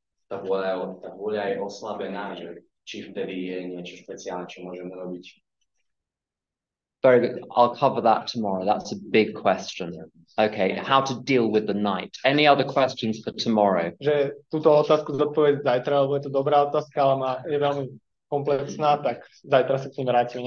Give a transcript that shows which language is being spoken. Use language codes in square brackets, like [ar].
[sk] Tá vôľa je oslabená, že či vtedy je niečo špeciálne, čo môžem robiť. [en] Very good. I'll cover that tomorrow. That's a big question. Okay, how to deal with the night. Any other questions for tomorrow? [sk] Že túto otázku zodpovieť zajtra, lebo je to dobrá otázka, ale je veľmi komplexná, tak zajtra sa k tým vrátim.